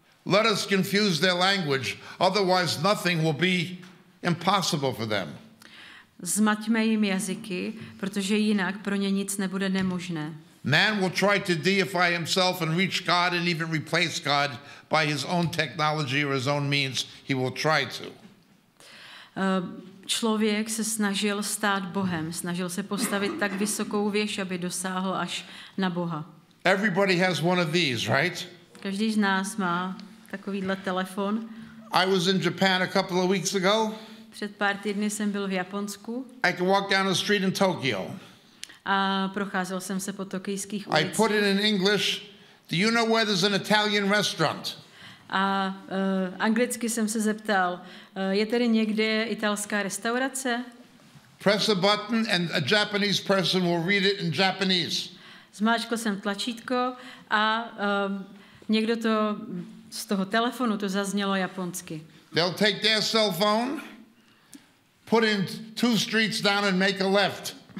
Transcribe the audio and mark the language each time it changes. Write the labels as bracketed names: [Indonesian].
[English] Let us confuse their language, otherwise nothing will be impossible for them. [Czech] Zmaťme jim jazyky, protože jinak pro ně nic nebude nemožné. [English] Man will try to deify himself and reach God and even replace God by his own technology or his own means. He will try to. [Czech] Člověk se snažil stát Bohem, snažil se postavit tak vysokou věž, aby dosáhl až na Boha. [English] Everybody has one of these, right? [Czech] Každý z nás má takovýhle telefon. [English] I was in Japan a couple of weeks ago. [Czech] Před pár týdny jsem byl v Japonsku. [English] I could walk down a street in Tokyo. [Czech] A procházel jsem se po tokijských ulicích. [English] I put it in English. Do you know where there's an Italian restaurant? [Czech] A anglicky jsem se zeptal, je tady někde italská restaurace? [English] Press a button and a Japanese person will read it in Japanese. [Czech] Zmáčkl jsem tlačítko a někdo to z toho telefonu to zaznělo japonsky. [English] They'll take their cell phone, put in two streets down and make a left.